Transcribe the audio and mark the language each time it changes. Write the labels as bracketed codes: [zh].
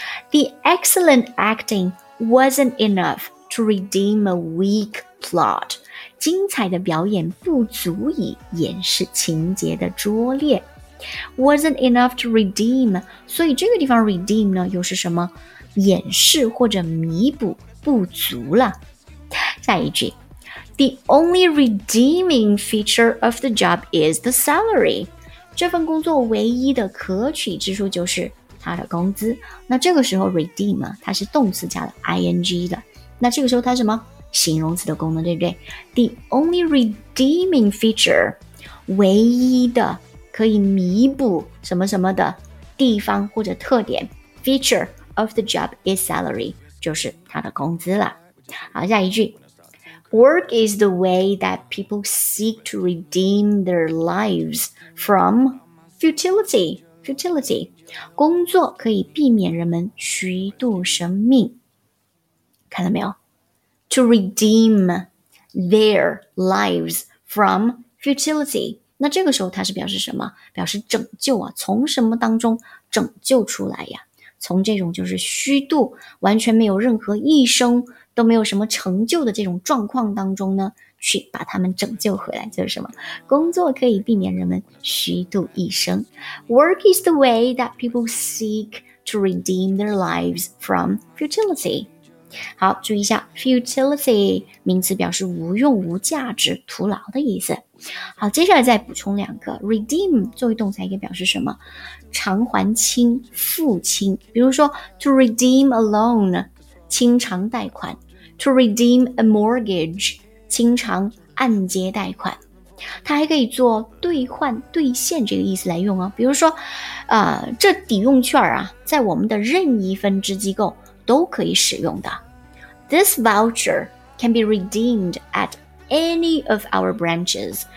[en] The excellent acting wasn't enough to redeem a weak plot. [zh] 精彩的表演不足以掩饰情节的拙劣。 [en] Wasn't enough to redeem. [zh] 所以这个地方 redeem 呢又是什么？掩饰或者弥补不足了。下一句。 [en] The only redeeming feature of the job is the salary. [zh] 这份工作唯一的可取之处就是他的工资。那这个时候 redeem 它是动词加了 ing 的。那这个时候它什么？形容词的功能，对不对？ [en] The only redeeming feature, [zh] 唯一的可以弥补什么什么的地方或者特点 feature, [en] of the job is salary, [zh] 就是他的工资了。好，下一句。 [en] Work is the way that people seek to redeem their lives from futility. Futility. [zh] 工作可以避免人们虚度生命。看到没有？ [en] To redeem their lives from futility. [zh] 那这个时候它是表示什么？表示拯救啊，从什么当中拯救出来呀？从这种就是虚度，完全没有任何一生都没有什么成就的这种状况当中呢，去把他们拯救回来，就是什么？工作可以避免人们虚度一生。 [en] Work is the way that people seek to redeem their lives from futility. [zh] 好，注意一下 futility 名词表示无用、无价值、徒劳的意思。好，接下来再补充两个。redeem 作为动词一个表示什么？偿还清、付清。比如说 [en] to redeem a loan, [zh] 清偿贷款。 [en] to redeem a mortgage, [zh] 清偿按揭贷款。它还可以做兑换兑现这个意思来用哦。比如说这抵用券啊，在我们的任意分支机构都可以使用的。 [en] This voucher can be redeemed at any of our branches.